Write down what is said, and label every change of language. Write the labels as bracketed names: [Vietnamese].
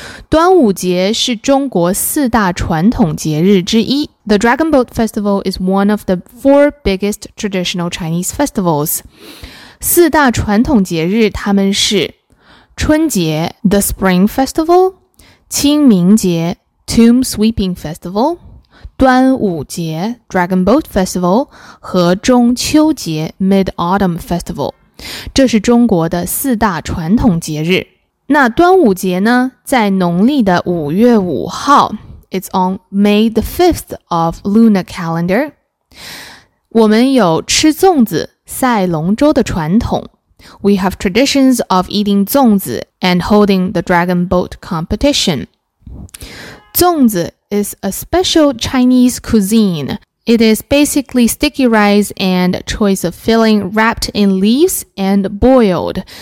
[Chinese] 端午节是中国四大传统节日之一. [English] The Dragon Boat Festival is one of the four biggest traditional Chinese festivals. [Chinese] 四大传统节日它们是 春节, [English] the Spring Festival, [Chinese] 清明节, [English] Tomb Sweeping Festival, [Chinese] 端午节, [English] Dragon Boat Festival, [Chinese] 和中秋节, [English] Mid-Autumn Festival. [Chinese] 这是中国的四大传统节日. 那端午节呢, 在农历的5月5号, [English] it's on May the 5th of Lunar Calendar. [Chinese] 我们有吃粽子, 赛龙舟的传统. [English] We have traditions of eating 粽子 and holding the Dragon Boat Competition. 粽子 is a special Chinese cuisine. It is basically sticky rice and choice of filling wrapped in leaves and boiled.